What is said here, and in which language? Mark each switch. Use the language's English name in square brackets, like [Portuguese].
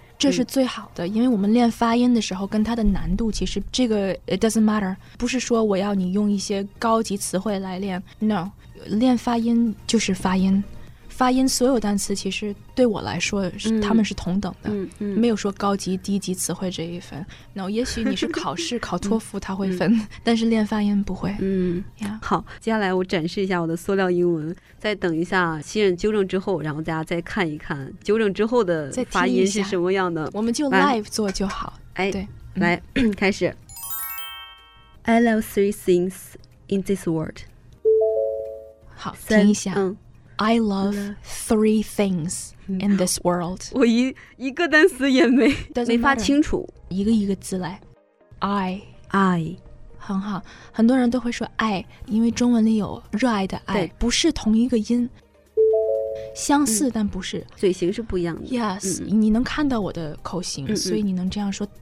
[Chinese] 这是最好的，因为我们练发音的时候跟它的难度其实这个 [English] it doesn't matter， [Chinese] 不是说我要你用一些高级词汇来练， no， 练发音就是发音，发音所有单词其实对我来说是他们是同等的，没有说高级低级词汇这一分， no， 也许你是考试考托福他会分，但是练发音不会。好，接下来我展示一下我的塑料英文，再等一下新人纠正之后，然后大家再看一看纠正之后的发音是什么样的。我们就 live 做就好。哎，对，来开始。 [English] I love three things in this world. [Chinese] 好，听一下。 [English] I love three things in this world. [Chinese] 我一个单词也没发清楚。一个一个字来。I. 很好。很多人都会说爱，因为中文里有热爱的爱，不是同一个音。相似但不是。嘴型是不一样的。 Yes, 你能看到我的口型，所以你能这样说。